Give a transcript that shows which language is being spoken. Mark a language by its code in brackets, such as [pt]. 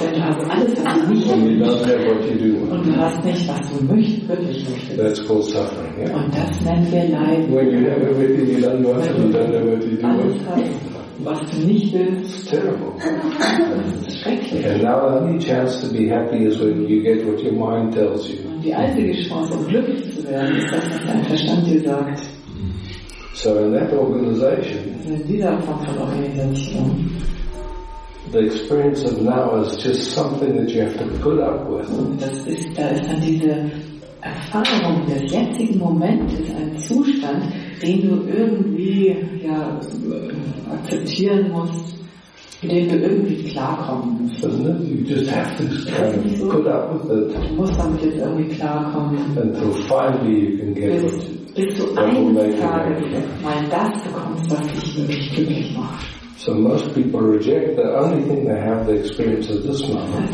[en] And you don't have what you do want. That's called suffering. Yeah? When you have everything you don't want and you don't have what you do want. [de] Was du nicht willst. [en] It's terrible. [de] Schrecklich. [en] And now the only chance to be happy is when you get what your mind tells you. [de] Und die einzige Chance, um glücklich zu werden, ist das, was dein Verstand dir sagt. [en] So in that organization, [de] in dieser Form von Organisation, [en] the experience of now is just something that you have to put up with. [de] Das ist, da ist dann diese Erfahrung des jetzigen Moments, ein Zustand, den du irgendwie, ja, akzeptieren musst. dem du irgendwie klarkommen musst. [en] You just have to kind of put up with it. [de] Du musst damit jetzt irgendwie klarkommen. [en] Until finally you can get [de] bis, bis du eine Frage mal das bekommst, was dich wirklich glücklich macht. [en] So most people reject the only thing they have the experience of this moment.